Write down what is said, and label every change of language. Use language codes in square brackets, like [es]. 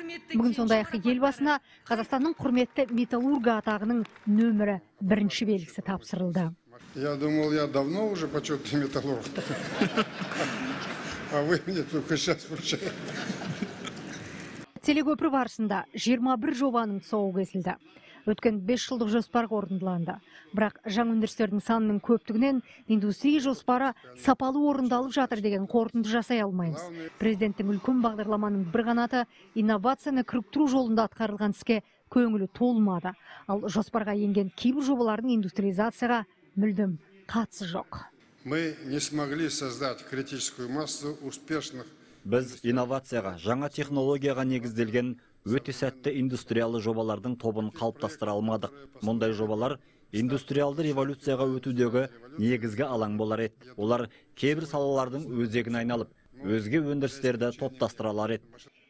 [kk] Бүгін сондай-ақ елбасына Қазақстанның құрметті металлургы атағының нөмірі бірінші белгісі тапсырылды. [ru] Я думал, я давно уже почетный металлург. А вы мне только сейчас вручаете. [kk] Телекөпір барысында 21 жобаның тұсауы кесілді. Өткен 5 жылдық жоспар орындалды. Бірақ жаңа өндірістердің санының көптігінен индустрия жоспары сапалы орындалып жатыр деген қорытынды жасай алмаймыз. Президенттің үлкен бағдарламаның бір қанаты инновацияны кіріктіру жолында атқарылған іске көңілі толмады. Ал жоспарға енген кейбір жобалардың индустриализацияға мүлдем қатысы жоқ. [ru] Мы не смогли создать критическую массу успешных. [kk] Біз инновацияға, жаңа технологияға негізделген өте сәтті индустриялы жобалардың тобын қалыптастыра алмадық. Мұндай жобалар индустриалды революцияға өтудегі негізгі алаң болар еді. Олар кейбір салалардың өзегін айналып, өзге өндірістерді топтастыра алар еді.